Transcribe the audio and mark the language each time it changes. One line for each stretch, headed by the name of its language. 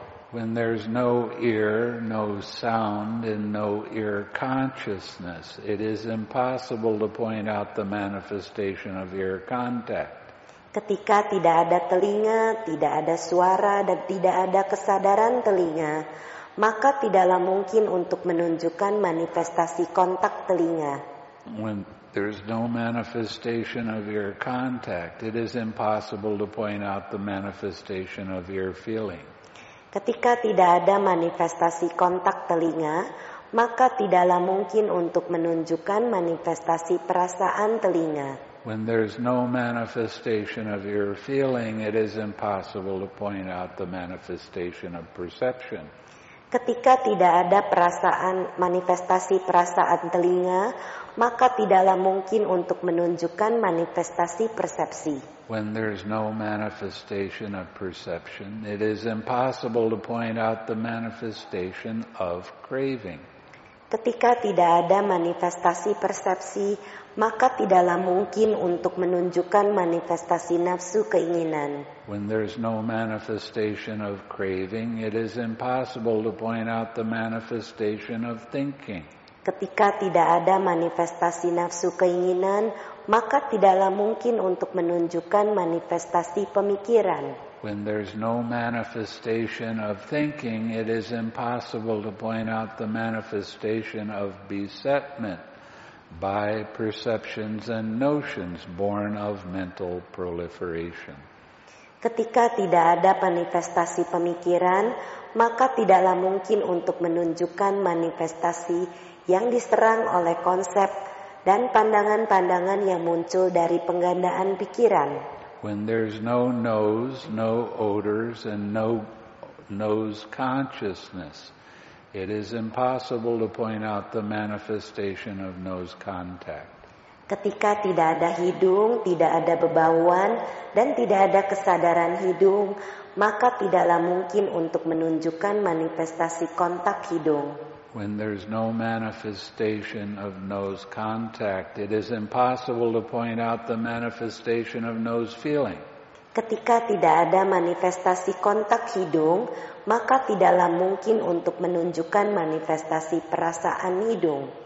English: When there is no ear, no sound, and no ear consciousness, it is impossible to point out the manifestation of ear contact.
Indonesian: Ketika tidak ada telinga, tidak ada suara, dan tidak ada kesadaran telinga, maka tidaklah mungkin untuk menunjukkan manifestasi kontak telinga.
English: When there is no manifestation of ear contact, it is impossible to point out the manifestation of ear feeling.
Indonesian: Ketika tidak ada manifestasi kontak telinga, maka tidaklah mungkin untuk menunjukkan manifestasi perasaan telinga.
English: When there is no manifestation of ear feeling, it is impossible to point out the manifestation of perception.
Indonesian: Ketika tidak ada perasaan, manifestasi perasaan telinga, maka tidaklah mungkin untuk menunjukkan manifestasi persepsi.
English: When there is no manifestation of perception, it is impossible to point out the manifestation of craving.
Indonesian: Ketika tidak ada manifestasi persepsi, maka tidaklah mungkin untuk menunjukkan manifestasi nafsu keinginan.
English: When there is no manifestation of craving, it is impossible to point out the manifestation of thinking.
Indonesian: Ketika tidak ada manifestasi nafsu keinginan, maka tidaklah mungkin untuk menunjukkan manifestasi pemikiran.
English: When there is no manifestation of thinking, it is impossible to point out the manifestation of besetment by perceptions and notions born of mental proliferation.
Indonesian: Ketika tidak ada manifestasi pemikiran, maka tidaklah mungkin untuk menunjukkan manifestasi yang diserang oleh konsep dan pandangan-pandangan yang muncul dari penggandaan pikiran.
English: When there's no nose, no odors, and no nose consciousness, it is impossible to point out the manifestation of nose contact.
Indonesian: Ketika tidak ada hidung, tidak ada bebauan, dan tidak ada kesadaran hidung, maka tidaklah mungkin untuk menunjukkan manifestasi kontak hidung.
English: When there's no manifestation of nose contact, it is impossible to point out the manifestation of nose feeling.
Indonesian: Ketika tidak ada manifestasi kontak hidung, maka tidaklah mungkin untuk menunjukkan manifestasi perasaan hidung.